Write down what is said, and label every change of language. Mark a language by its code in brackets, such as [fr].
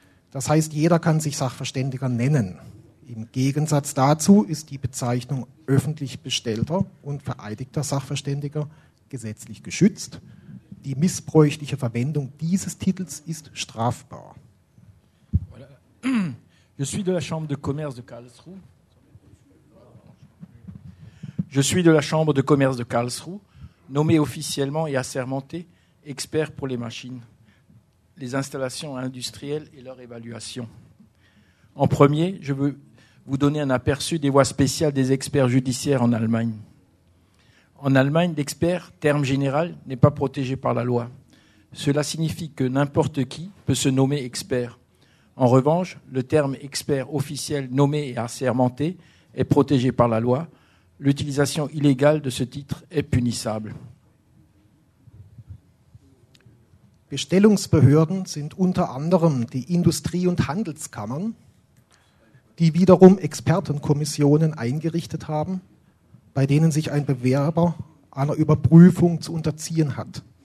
[de] Das heißt, jeder kann sich Sachverständiger nennen. Im Gegensatz dazu ist die Bezeichnung öffentlich bestellter und vereidigter Sachverständiger gesetzlich geschützt. Die missbräuchliche Verwendung dieses Titels ist strafbar. [fr] Voilà. Je suis de la Chambre de commerce de Karlsruhe. Je suis de la Chambre de commerce de Karlsruhe, nommé officiellement et assermenté expert pour les machines, les installations industrielles et leur évaluation. En premier, je veux vous donner un aperçu des voies spéciales des experts judiciaires en Allemagne. En Allemagne, l'expert, terme général, n'est pas protégé par la loi. Cela signifie que n'importe qui peut se nommer expert. En revanche, le terme « expert officiel nommé et assermenté » est protégé par la loi. L'utilisation illégale de ce titre est punissable. [de] Bestellungsbehörden sind unter anderem die Industrie- und Handelskammern, die wiederum Expertenkommissionen eingerichtet haben, bei denen sich ein Bewerber einer Überprüfung zu unterziehen hat.